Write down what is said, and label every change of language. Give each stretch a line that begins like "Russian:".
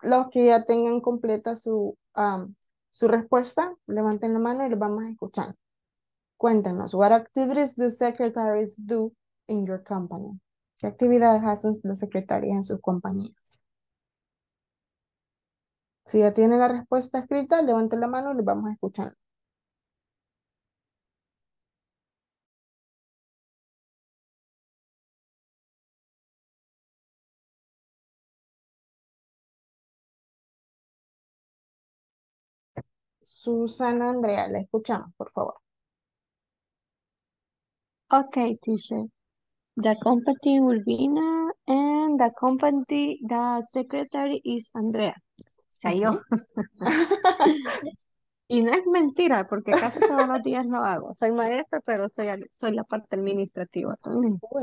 Spanish: Los que ya tengan completa su su respuesta, levanten la mano y los vamos a escuchar. Cuéntenos,
English: what activities do secretaries do in your company?
Spanish: ¿Qué actividades hacen las secretarias en sus compañías? Si ya tienen la respuesta escrita, levanten la mano y los vamos a escuchar. Susana Andrea, la escuchamos, por favor.
English: Okay, teacher. The company Urbina and the company, the secretary is Andrea.
Spanish: O sea, yo. Y no es mentira, porque casi todos los días lo hago. Soy maestra, pero soy la parte administrativa también.